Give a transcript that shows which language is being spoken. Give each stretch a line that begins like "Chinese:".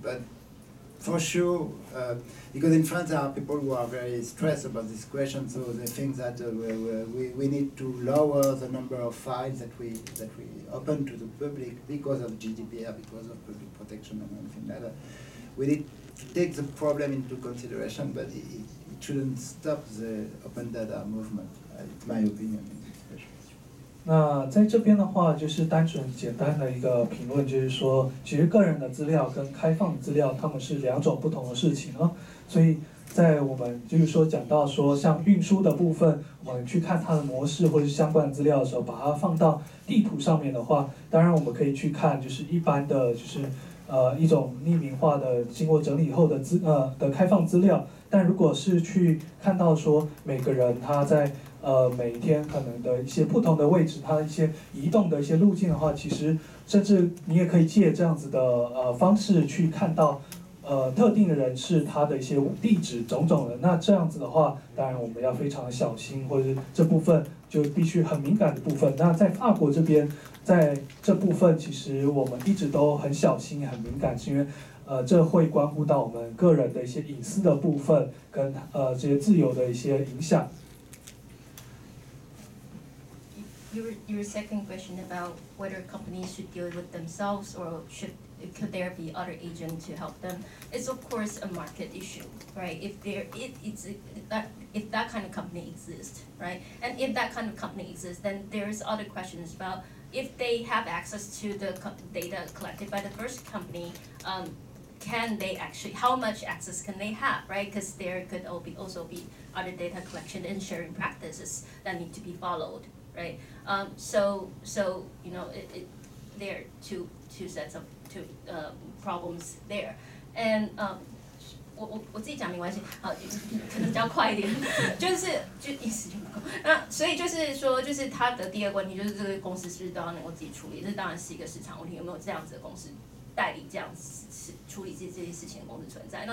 English: But for sure, because in France there are people who are very stressed about this question, so they think that we need to lower the number of files that we open to the public because of GDPR, because of public protection and everything like that. We need to take the problem into consideration, but it shouldn't stop the open data movement, in my opinion.
Chinese: 那在这边的话，就是单纯简单的一个评论，就是说，其实个人的资料跟开放资料，他们是两种不同的事情啊。所以在我们就是说讲到说，像运输的部分，我们去看它的模式或者是相关资料的时候，把它放到地图上面的话，当然我们可以去看，就是一般的，就是一种匿名化的经过整理后的的开放资料。但如果是去看到说每个人他在每天可能的一些不同的位置，它一些移动的一些路径的话，其实甚至你也可以借这样子的方式去看到特定的人士他的一些地址种种的。那这样子的话，当然我们要非常的小心，或者是这部分就必须很敏感的部分。那在法国这边，在这部分其实我们一直都很小心很敏感，是因为这会关乎到我们个人的一些隐私的部分跟这些自由的一些影响。
English: Your second question about whether companies should deal with themselves or could there be other agents to help them is of course a market issue, right? If that kind of company exists, right? And if that kind of company exists, then there's other questions about if they have access to the data collected by the first company, can they actually, how much access can they have, right? Because there could also be other data collection and sharing practices that need to be followed. Right. So you know, it there are two sets of problems there.
Chinese: And 我自己讲没关系，好，可能讲快一点，就意思就不够。那所以就是说，就是他的第二个问题，就是这个公司是不是都要能够自己处理？这当然是一个市场问题，有没有这样子的公司代理这样子处理这些事情的公司存在？